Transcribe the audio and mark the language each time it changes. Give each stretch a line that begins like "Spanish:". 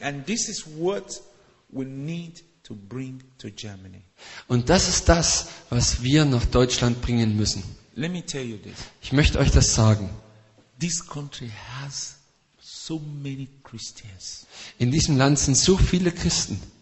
English: And this is what we need to bring to Germany.
German: Und das ist das, was wir nach Deutschland bringen müssen.
English: Let me tell you this.
German: Ich möchte euch das sagen.
English: This country has so many Christians.
German: In diesem Land sind so viele Christen.